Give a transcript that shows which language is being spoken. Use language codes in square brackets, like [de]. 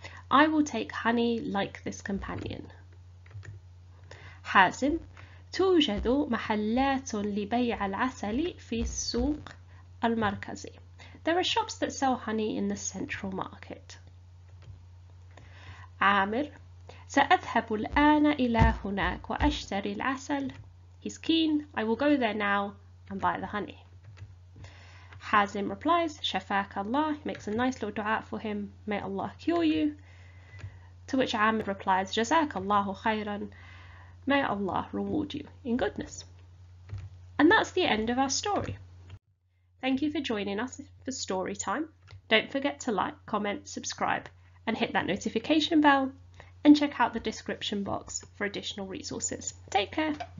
[en] I will take honey like this companion. [ar] حازم, تُوجَدُ مَحَلَّاتٌ لِبَيْعَ الْعَسَلِ فِي السُّوقِ الْمَرْكَزِ. [en] There are shops that sell honey in the central market. [ar] عامر, سأذهب الآن إلى هناك وأشتري العسل. [en] He's keen. I will go there now and buy the honey. [ar] حازم [en] replies, [ar] شفاك الله. [en] He makes a nice little dua for him. May Allah cure you. To which [ar] عامر replies, جزاك الله خيرا. [en] May Allah reward you in goodness. And that's the end of our story. Thank you for joining us for story time. Don't forget to like, comment, subscribe, and hit that notification bell, and check out the description box for additional resources. Take care.